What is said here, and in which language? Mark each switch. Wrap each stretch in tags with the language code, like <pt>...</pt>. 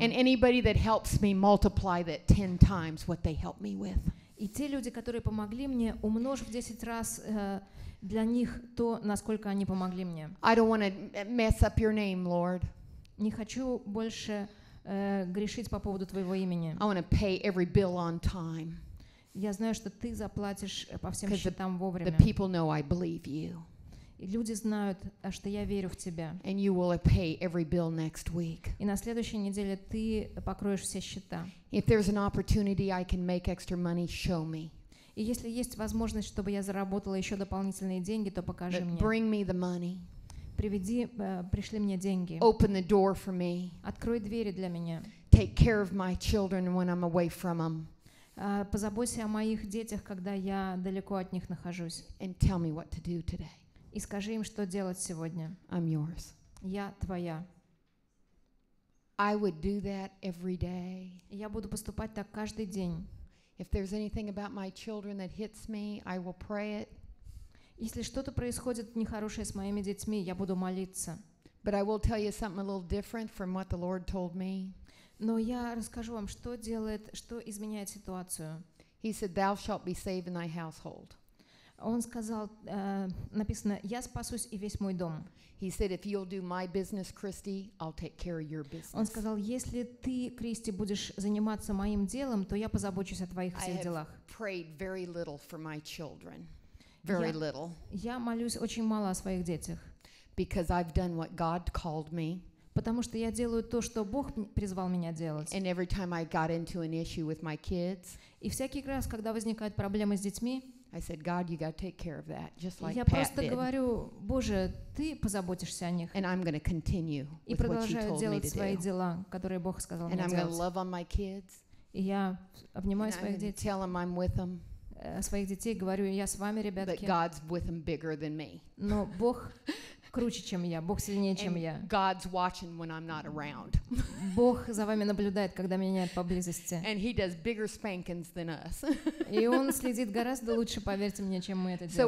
<en>And anybody that helps me multiply that 10 times what they help me with.</en> <ru>И те люди, которые помогли мне, умножь в 10 раз для них то, насколько они помогли мне.</ru> <en>I don't want to mess up your name, Lord.</en> <ru>Не хочу больше грешить по поводу твоего имени.</ru> <en>I want to pay every bill on time.</en> <ru>Я знаю, что ты заплатишь по всем счетам вовремя.</ru> <en>The people know I believe you.</en> <ru>И люди знают, что я верю в тебя.</ru> <en>And you will pay every bill next week.</en> <ru>И на следующей неделе ты покроешь все счета.</ru> <en>If there's an opportunity I can make extra money, show me.</en> <ru>И если есть возможность, чтобы я заработала еще дополнительные деньги, то покажи мне.</ru> <en>Bring me the money.</en> <ru>Приведи, пришли мне деньги.</ru> <en>Open the door for me.</en> <ru>Открой двери для меня.</ru> <en>Take care of my children when I'm away from them.</en> <ru>Позаботься о моих детях, когда я далеко от них нахожусь.</ru> <en>And tell me what to do today.</en> <ru>И скажи им, что делать сегодня.</ru> <en>I'm yours.</en> <ru>Я твоя.</ru> <en>I would do that every day.</en> <ru>Я буду поступать так каждый день.</ru> <en>If there's anything about my children that hits me, I will pray it.</en> <ru>Если что-то происходит нехорошее с моими детьми, я буду молиться.</ru> <en>But I will tell you something a little different from what the Lord told me.</en> <ru>Но я расскажу вам, что делает, что изменяет ситуацию.</ru> <en>He said, "Thou shalt be saved in thy household."</en> <ru>Он сказал, написано, я спасусь и весь мой дом.</ru> <en>He said, "If you'll do my business, Christy, I'll take care of your business."</en> <ru>Он сказал, если ты, Кристи, будешь заниматься моим делом, то я позабочусь о твоих всех делах.</ru> <en>I have prayed very little for my children, very little.</en> <ru>Я молюсь очень мало о своих детях.</ru> <en>Because I've done what God called me.</en> <ru>Потому что я делаю то, что Бог призвал меня делать.</ru> <en>And every time I got into an issue with my kids.</en> <ru>И всякий раз, когда возникают проблемы с детьми.</ru> <en>I said, God, you got to take care of that, just like</en> <ru>Я просто говорю, Боже, ты позаботишься о них.</ru> <en>And I'm going to continue with what you told me to do.</en> <ru>И продолжаю делать свои дела, которые Бог сказал мне делать.</ru> <en>And I'm going to love on my kids.</en> <ru>И я обнимаю своих детей.</ru> <en>And I'm going to tell them I'm with them.</en> <ru>Своих детей говорю, я с вами, ребятки.</ru> <en>But God's with them bigger than me.</en> <ru>Но Бог круче, чем я. Бог сильнее, чем я.</ru> <en>God's watching when I'm not around.</en> <ru>Бог за вами наблюдает, когда меня нет поблизости.</ru> <en>And he does bigger spankings than us.</en> <ru>И он следит гораздо лучше, поверьте мне, чем мы это делаем.</ru>